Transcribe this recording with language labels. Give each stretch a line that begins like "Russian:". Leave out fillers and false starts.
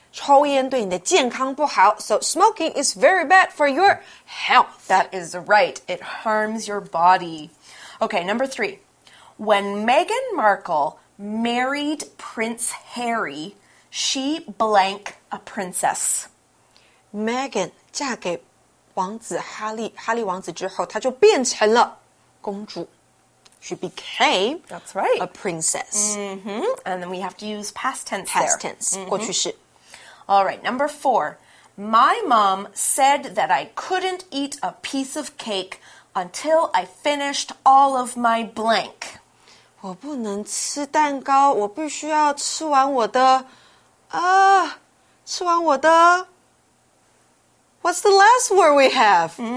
Chinese: 抽烟对你的健康不好
English: So smoking is very bad for your health. That is right. It harms your body. Okay, number three. When Meghan Markle married Prince Harry, she blank a princess.
Chinese: Meghan 嫁给王子哈利,哈利王子之后她就变成了公主。
English: She became That's right. a princess. Mm-hmm. And then we have to use past tense past there. Past tense,、mm-hmm. 过去式 All right, number four. My mom said that I couldn't eat a piece of cake until I finished all of my blank.
Chinese: 我不能吃蛋糕,我必须要吃完我的,吃完我的
English: What's the last word we have?